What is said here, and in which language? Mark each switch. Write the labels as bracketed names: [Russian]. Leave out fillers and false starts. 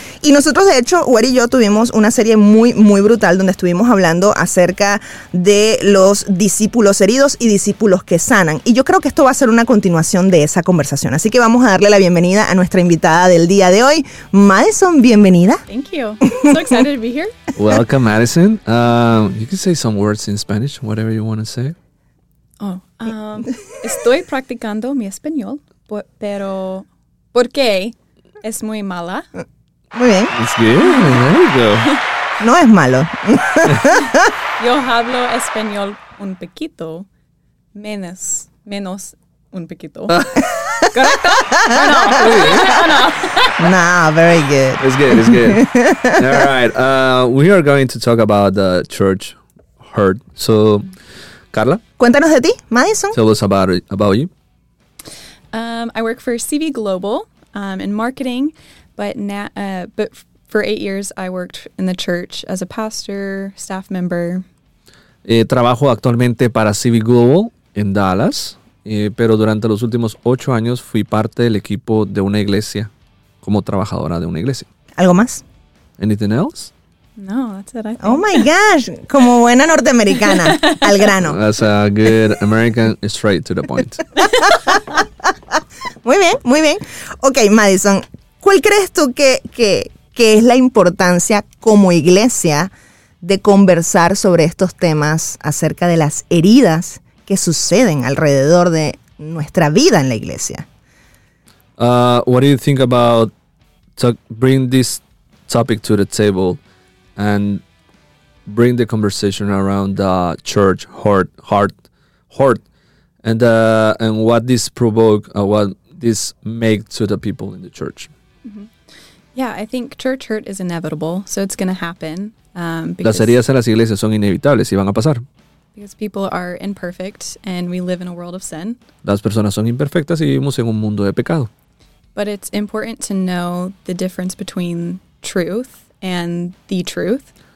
[Spanish] Y nosotros, de hecho, Huer y yo tuvimos una serie muy, muy brutal donde estuvimos hablando acerca de los discípulos heridos y discípulos que sanan. Y yo creo que esto va a ser una continuación de esa conversación. Así que vamos a darle la bienvenida a nuestra invitada del día de hoy. Madison, bienvenida. [English] Thank you. I'm so excited to be here. Welcome, Madison. You can say some words in Spanish, whatever you want to say. [Spanish] Estoy practicando mi español, pero ¿por qué? Es muy mala. Muy bien. [English] It's good. There you go. [Spanish] No es malo. Yo hablo español un poquito, menos un poquito. ¿Correcto? ¿O no? [English] Nah, very good. It's good. All right. We are going to talk about the church hurt. So, Carla. [Spanish] Cuéntanos de ti, Madison. [English] Tell us about you. I work for CV Global. In marketing, but for 8 years I worked in the church as a pastor, staff member. [Spanish] Trabajo actualmente para CV Global en Dallas, pero durante los últimos 8 años fui parte del equipo de una iglesia como trabajadora de una iglesia. ¿Algo más? [English] Anything else? No, that's it. I think. Oh my gosh, [Spanish] como buena norteamericana, al grano. [English] That's a good American, straight to the point. [Spanish] Muy bien, muy bien. Ok, Madison, ¿cuál crees tú que es la importancia como iglesia de conversar sobre estos temas acerca de las heridas que suceden alrededor de nuestra vida en la iglesia? [English] What do you think about bring this topic to the table and bring the conversation around the church hurt? And what this provoke, what this make to the people in the church? Mm-hmm. Yeah, I think church hurt is inevitable, so it's going to happen. [Spanish] Las heridas en las iglesias son inevitables y van a pasar. [English] Because people are imperfect and we live in a world of sin. [Spanish] Las personas son imperfectas y vivimos en un mundo de pecado. [English] But it's important to know the difference between truth and the truth.